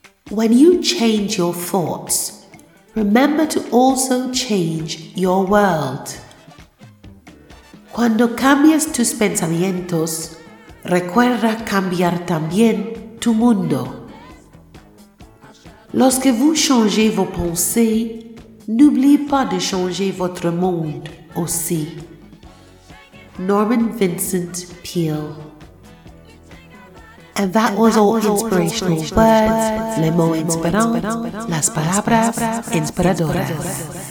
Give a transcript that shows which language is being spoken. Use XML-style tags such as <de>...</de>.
<en>When you change your thoughts, remember to also change your world.</en> <es>Cuando cambias tus pensamientos, recuerda cambiar también tu mundo.</es> <fr>Lorsque vous changez vos pensées, n'oubliez pas de changer votre monde aussi.</fr> <en>Norman Vincent Peale. And that and was that all was inspirational all words,</en> <fr>les mots inspirants,</fr> <es>las palabras inspiradoras.</es>